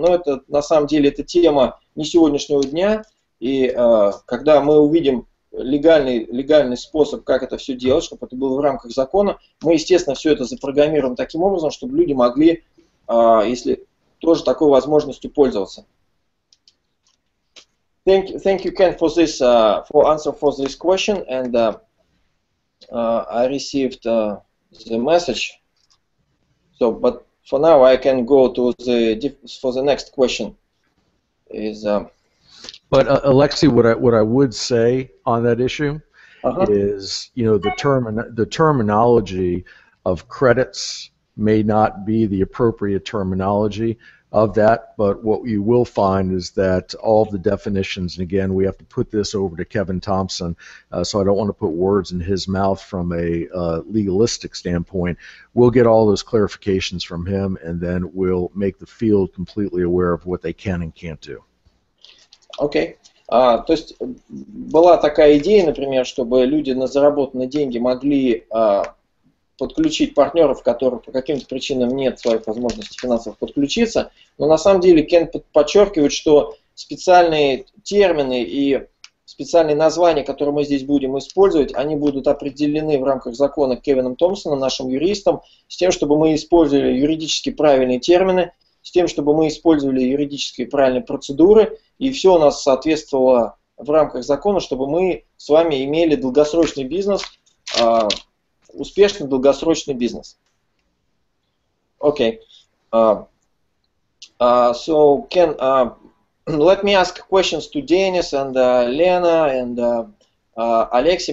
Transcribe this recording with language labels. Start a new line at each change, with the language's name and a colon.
Russian: Но это на самом деле это тема не сегодняшнего дня, и когда мы увидим легальный способ, как это все делать, чтобы это было в рамках закона, мы, естественно, все это запрограммируем таким образом, чтобы люди могли, если тоже такой возможностью пользоваться.
English: Thank you, Ken, for this for answer for this question, and I received the message. So, but for now, I can go to the next question. Alexei, what I would say on that issue is, you know, the terminology of credits may not be the appropriate terminology of that, but what you will find is that all of the definitions, and again, we have to put this over to Kevin Thompson, so I don't want to put words in his mouth from a legalistic standpoint. We'll get all those clarifications from him, and then we'll make the field completely aware of what they can and can't do. Okay.
Russian: То есть была такая идея, например, чтобы люди на заработанные деньги могли подключить партнеров, которые по каким-то причинам нет своих возможностей финансовых подключиться, но на самом деле Кен подчеркивает, что специальные термины и специальные названия, которые мы здесь будем использовать, они будут определены в рамках закона Кевином Томпсоном, нашим юристом, с тем, чтобы мы использовали юридически правильные термины, с тем, чтобы мы использовали юридически правильные процедуры, и все у нас соответствовало в рамках закона, чтобы мы с вами имели долгосрочный бизнес, успешный долгосрочный бизнес. Окей.
English: So, Ken, let me ask questions to Dennis and Lena and Alexei.